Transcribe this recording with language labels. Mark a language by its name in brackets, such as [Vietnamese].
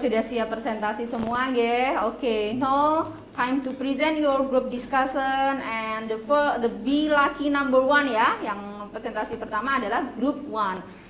[Indonesian] Sudah siap presentasi semua, nggih? [English] Okay. Now, time to present your group discussion and the be lucky number one ya. [Indonesian] Yang presentasi pertama adalah group one.